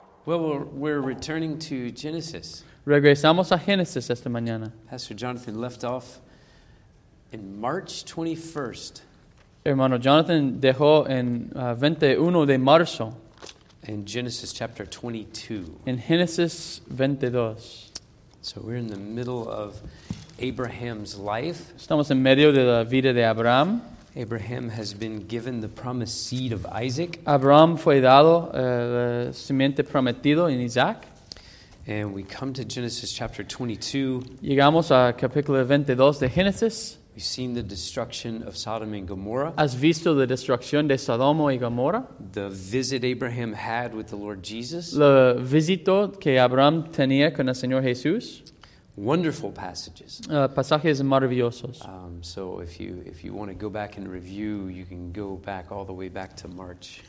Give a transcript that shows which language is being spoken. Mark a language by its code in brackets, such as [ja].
[en] Well, we're returning to Genesis. [es] Regresamos a Génesis esta mañana. [en] Pastor Jonathan left off in March 21st. [es] Hermano Jonathan dejó en 21 de marzo. [en] In Genesis chapter 22. [es] En Génesis 22. [en] So we're in the middle of Abraham's life. [es] Estamos en medio de la vida de Abraham. [en] Abraham has been given the promised seed of Isaac. [es] Abraham fue dado la simiente prometido en Isaac. [en] And we come to Genesis chapter 22. [es] Llegamos a capítulo 22 de Génesis. [en] We've seen the destruction of Sodom and Gomorrah. [es] ¿Has visto la destrucción de Sodoma y Gomorra? [en] The visit Abraham had with the Lord Jesus. [es] La visita que Abraham tenía con el Señor Jesús. [en] Wonderful passages. [es] Pasajes maravillosos. [en] So if you want to go back and review, you can go back all the way back to March.